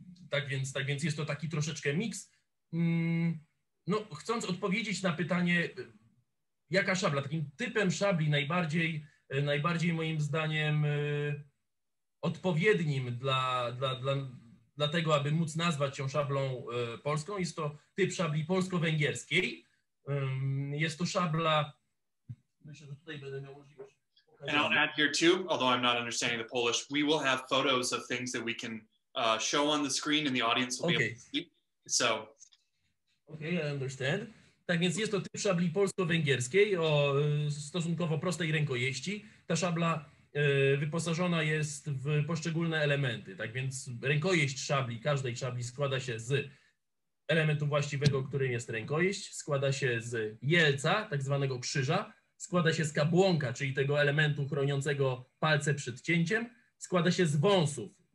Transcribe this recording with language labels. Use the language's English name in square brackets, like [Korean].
[Polish] Tak więc jest to taki troszeczkę miks. No, chcąc odpowiedzieć na pytanie, jaka szabla, takim typem szabli najbardziej moim zdaniem odpowiednim dla tego, aby móc nazwać ją szablą polską, jest to typ szabli polsko-węgierskiej. Jest to szabla. Myślę, że tutaj będę miał możliwość. [English] And I'll add here too, although I'm not understanding the Polish, we will have photos of things that we can show on the screen and the audience will be able to see. So. Okay, I understand. [Polish] Tak więc jest to typ szabli polsko-węgierskiej o stosunkowo prostej rękojeści. Ta szabla wyposażona jest w poszczególne elementy. Tak więc rękojeść szabli, każdej szabli składa się z elementu właściwego, którym jest rękojeść, składa się z jelca, tak zwanego krzyża, składa się z kabłąka, czyli tego elementu chroniącego palce przed cięciem, składa się z wąsów.